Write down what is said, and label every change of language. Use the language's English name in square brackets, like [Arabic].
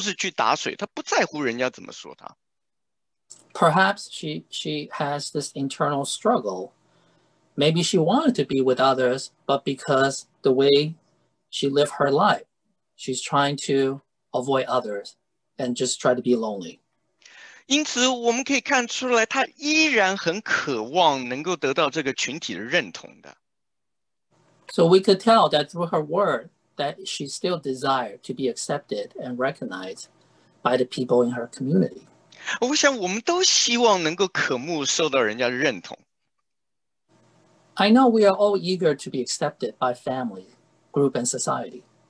[Chinese] 所以我们又发现她不是一个能够很放得开我行我素的人，因为如果真的我行我素的话，她根本不在乎人家的议论，她不甩别人的议论，她一样在傍晚的时候就是去打水，她不在乎人家怎么说她。 [English] Perhaps she has this internal struggle. Maybe she wanted to be with others, but because the way she lived her life, she's trying to avoid others and just try to be lonely. [Chinese] 因此我们可以看出来，她依然很渴望能够得到这个群体的认同的。So [English] we could tell that through her word that she still desired to be accepted and recognized by the people in her community. [Chinese] 我想我们都希望能够渴慕受到人家的认同。I [English] know we are all eager to be accepted by family, group, and society.